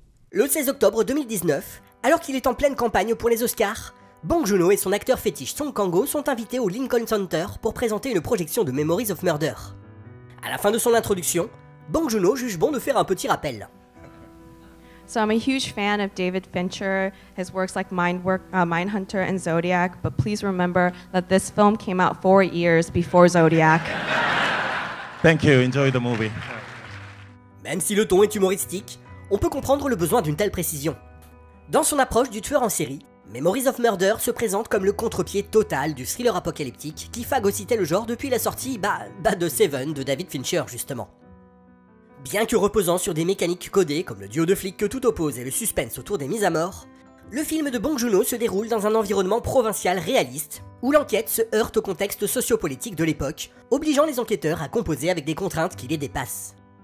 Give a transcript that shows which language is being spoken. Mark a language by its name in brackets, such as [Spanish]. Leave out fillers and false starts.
[French] Le 16 octobre 2019, alors qu'il est en pleine campagne pour les Oscars, Bong Joon-ho et son acteur fétiche Song Kang-ho sont invités au Lincoln Center pour présenter une projection de Memories of Murder. À la fin de son introduction, Bong Joon-ho juge bon de faire un petit rappel. [English] So I'm a huge fan of David Fincher, his works like Mindhunter and Zodiac, but please remember that this film came out 4 years before Zodiac. Thank you, enjoy the movie. [French] Même si le ton est humoristique, on peut comprendre le besoin d'une telle précision. Dans son approche du tueur en série, Memories of Murder se présente comme le contre-pied total du thriller apocalyptique qui phagocytait le genre depuis la sortie, de Seven de David Fincher, justement. Bien que reposant sur des mécaniques codées comme le duo de flics que tout oppose et le suspense autour des mises à mort, le film de Bong Joon-ho se déroule dans un environnement provincial réaliste où l'enquête se heurte au contexte sociopolitique de l'époque, obligeant les enquêteurs à composer avec des contraintes qui les dépassent.